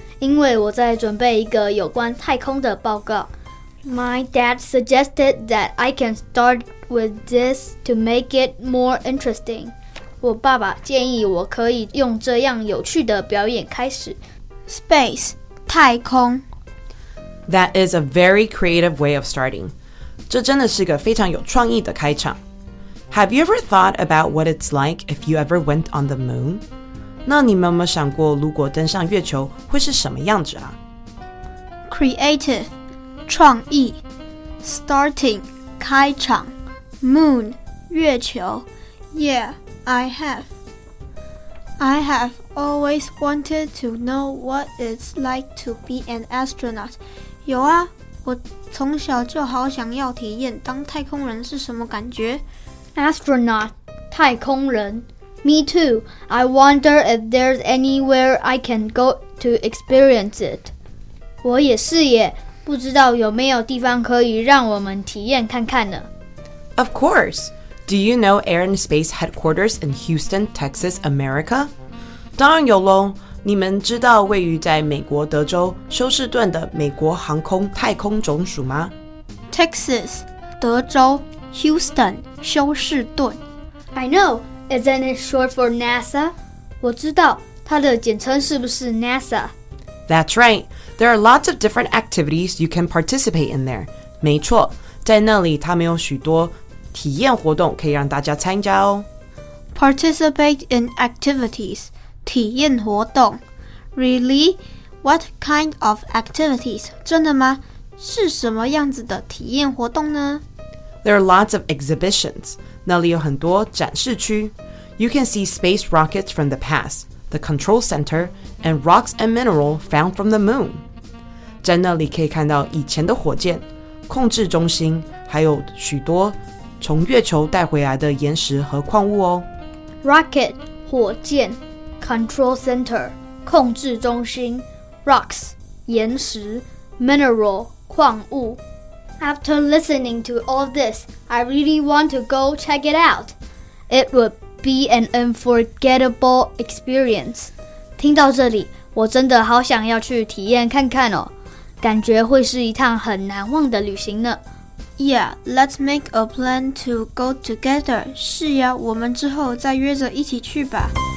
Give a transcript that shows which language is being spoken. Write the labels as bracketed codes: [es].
[zh] 因为我在准备一个有关太空的报告。 [en] My dad suggested that I can start with this to make it more interesting. [zh] 我爸爸建议我可以用这样有趣的表演开始。 [en] Space, 太空。 That is a very creative way of starting. [zh] 这真的是个非常有创意的开场。 [en] Have you ever thought about what it's like if you ever went on the moon? [zh] 那你们有没有想过如果登上月球会是什么样子啊？ [en] Creative, 创意。Starting, 开场。 Moon, 月球。Yeah, I have. I have always wanted to know what it's like to be an astronaut. [zh] 有啊，我从小就好想要体验当太空人是什么感觉。 [en] Astronaut, 太空人。Me too, I wonder if there's anywhere I can go to experience it. [zh] 我也是耶，不知道有没有地方可以让我们体验看看呢。 [en] Of course, do you know Air and Space Headquarters in Houston, Texas, America? [zh] 当然有咯，你们知道位于在美国德州休斯顿的美国航空太空总署吗？ [en] Texas, 德州。Houston, 休士顿。 I know, isn't it short for NASA? [zh] 我知道，它的简称是不是 NASA? [en] That's right, there are lots of different activities you can participate in there. [zh] 没错，在那里他们有许多体验活动可以让大家参加哦。 [en] Participate in activities, 体验活动。Really? What kind of activities? [zh] 真的吗？是什么样子的体验活动呢？ [en] There are lots of exhibitions. [zh] 那里有很多展示区。 [en] You can see space rockets from the past, the control center, and rocks and mineral found from the moon. [zh] 在那里可以看到以前的火箭、控制中心，还有许多从月球带回来的岩石和矿物哦。 [en] Rocket, 火箭。Control center, 控制中心。 Rocks, 岩石。Mineral, 矿物。 After listening to all this, I really want to go check it out. It would be an unforgettable experience. [zh] 听到这里，我真的好想要去体验看看哦，感觉会是一趟很难忘的旅行呢。 [en] Yeah, let's make a plan to go together. [zh] 是呀，我们之后再约着一起去吧。